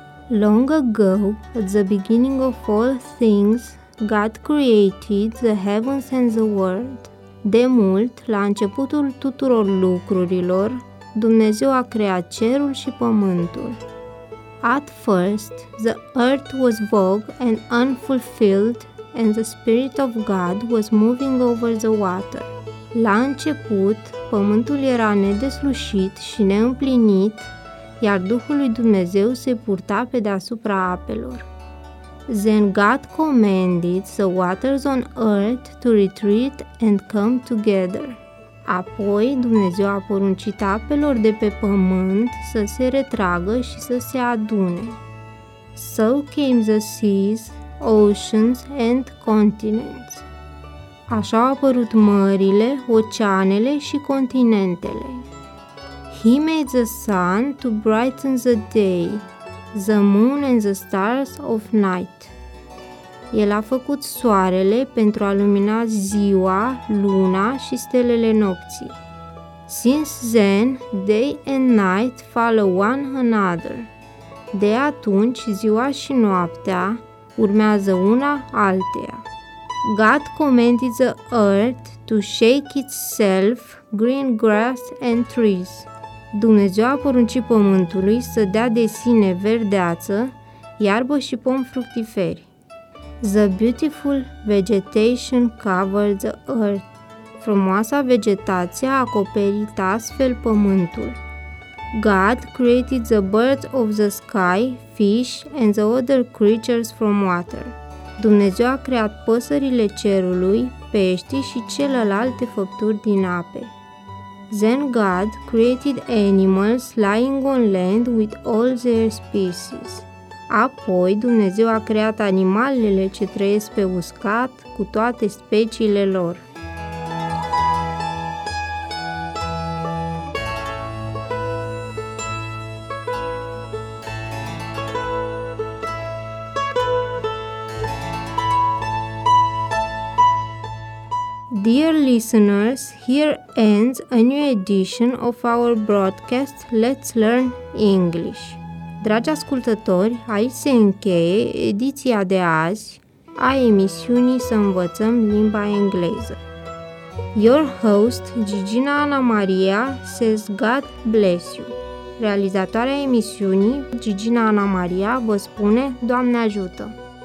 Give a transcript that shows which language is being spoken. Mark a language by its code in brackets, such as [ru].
[en] Long ago, at the beginning of all things, God created the heavens and the world. [ro] De mult, la începutul tuturor lucrurilor, Dumnezeu a creat cerul și pământul. [en] At first, the earth was vague and unfulfilled, and the Spirit of God was moving over the water. [ro] La început, pământul era nedeslușit și neîmplinit, iar Duhul lui Dumnezeu se purta pe deasupra apelor. [en] Then God commanded the waters on earth to retreat and come together. [ro] Apoi Dumnezeu a poruncit apelor de pe pământ să se retragă și să se adune. [en] So came the seas, oceans and continents. [ro] Așa au apărut mările, oceanele și continentele. [en] He made the sun to brighten the day, the moon and the stars of night. [ro] El a făcut soarele pentru a lumina ziua, luna și stelele nopții. [en] Since then, day and night follow one another. [ro] De atunci, ziua și noaptea urmează una alteia. [en] God commanded the earth to shake itself, green grass and trees. [ro] Dumnezeu a poruncit pământului să dea de sine verdeață, iarbă și pomi fructiferi. [en] The beautiful vegetation covered the earth. [ro] Frumoasa vegetație a acoperit astfel pământul. [en] God created the birds of the sky, fish and the other creatures from water. [ro] Dumnezeu a creat păsările cerului, peștii și celelalte făpturi din ape. [en] Then God created animals lying on land with all their species. [ro] Apoi Dumnezeu a creat animalele ce trăiesc pe uscat cu toate speciile lor. [en] Dear listeners, here ends a new edition of our broadcast Let's Learn English. [ro] Dragi ascultători, aici se încheie ediția de azi a emisiunii Să învățăm limba engleză. [en] Your host, Gigina Ana Maria, says God bless you. [ro] Realizatoarea emisiunii, Gigina Ana Maria, vă spune Doamne ajută!